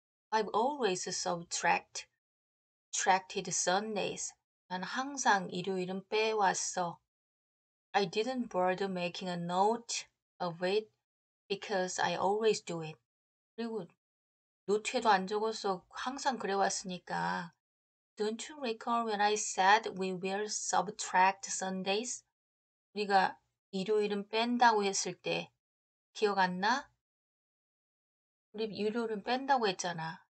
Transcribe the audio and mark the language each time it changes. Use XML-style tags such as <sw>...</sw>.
<en>I've always subtracted Sundays.</en> <ko>난 항상 일요일은 빼왔어.</ko> <en>I didn't bother making a note of it because I always do it.</en> <ko>그리고 노트에도 안 적었어. 항상 그래왔으니까.</ko> <en>Don't you recall when I said we will subtract Sundays?</en> <ko>우리가 일요일은 뺀다고 했을 때 기억 안 나? 우리 일요일은 뺀다고 했잖아.</ko>